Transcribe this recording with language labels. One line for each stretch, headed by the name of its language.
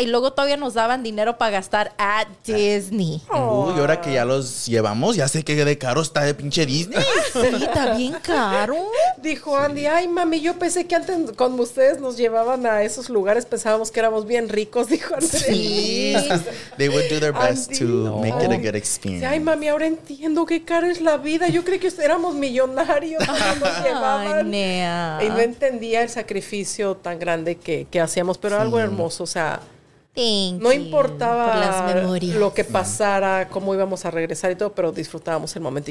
Spanish: Y luego todavía nos daban dinero para gastar a Disney. Y ahora que ya los llevamos, ya sé que de caro está de pinche Disney. Sí, está bien caro. Dijo Andy, ay mami, yo pensé que antes con ustedes nos llevaban a esos lugares, pensábamos que éramos bien ricos, dijo Andrés. Sí.
English: They would do their best to make it a good experience.
Spanish: Ay, mami, ahora entiendo qué cara es la vida. Yo creí que éramos millonarios cuando nos llevaban. Y no entendía el sacrificio tan grande que hacíamos, pero algo hermoso, o sea, importaba lo que pasara, cómo íbamos a regresar y todo, pero disfrutábamos el momento.